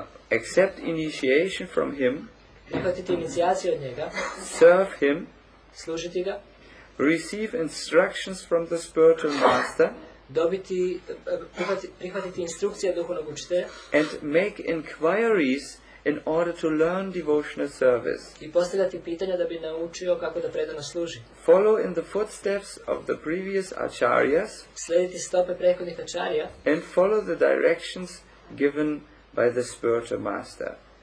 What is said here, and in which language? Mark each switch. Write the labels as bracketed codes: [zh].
[en] Accept initiation from him. [sr] Prihvatiti inicijaciju od njega. [en] Serve him. [sr] Služiti ga. [en] Receive instructions from the spiritual master. [sr] Dobiti, prihvatiti instrukcije duhovnog učitelja. [en] And make inquiries in order to learn devotional service. [sr] I postavljati pitanja da bi naučio kako da predano služi. [en] Follow in the footsteps of the previous acharyas. [sr] Slediti stope prethodnih acharya. [en] And follow the directions given by the spiritual master.